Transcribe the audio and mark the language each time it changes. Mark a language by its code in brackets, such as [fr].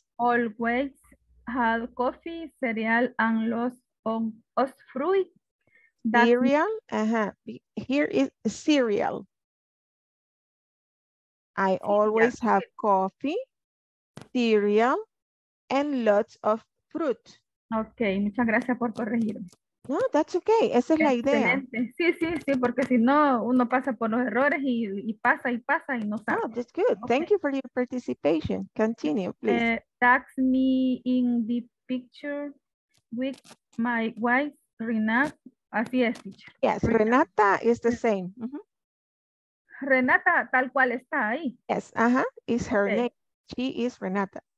[en] Always had coffee, cereal, and los on os fruit. That cereal? Uh-huh. Here is cereal. I always have coffee, cereal, and lots of fruit. [es] Okay, muchas gracias por corregirme. [en] No, that's okay. [es] Esa es la idea. Sí, sí, sí, porque si no, uno pasa por los errores y pasa y no sabe. [en] Oh, that's good. Okay. Thank you for your participation. Continue, please. Tags me in the picture with my wife, Renata. [es] Así es, teacher. [en] Yes, Renata is the same. Mm-hmm. [es] Renata, tal cual está ahí. [en] Yes, uh-huh, is her okay. Name. She is Renata.